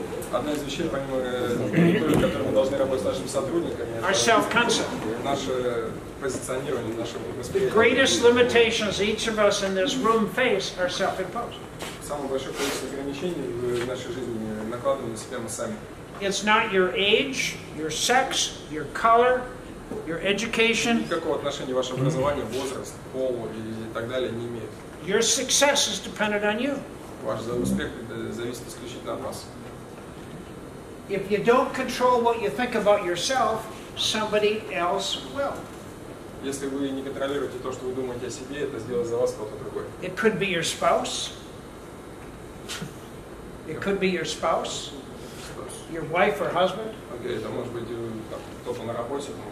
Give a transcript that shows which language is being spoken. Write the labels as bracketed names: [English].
[Russian] Одна из вещей, помимо культуры, которую мы должны работать с нашими сотрудниками. [English] Our self-concept. [Russian] Наше позиционирование, наше восприятие. [English] The greatest limitations each of us in this room face are self-imposed. [Russian] Самое большое количество ограничений в нашей жизни накладываем на себя мы сами. [English] It's not your age, your sex, your color. Your education. [Russian] Никакого отношения ваше образование, возраст, пол и так далее не имеет. [English] Your success is dependent on you. [Russian] Ваш успех зависит исключительно от вас. [English] If you don't control what you think about yourself, somebody else will. [Russian] Если вы не контролируете то, что вы думаете о себе, это сделает за вас кто-то другой. [English] It could be your spouse. It could be your spouse. Your wife or husband. [Russian] Okay, это может быть кто-то на работе.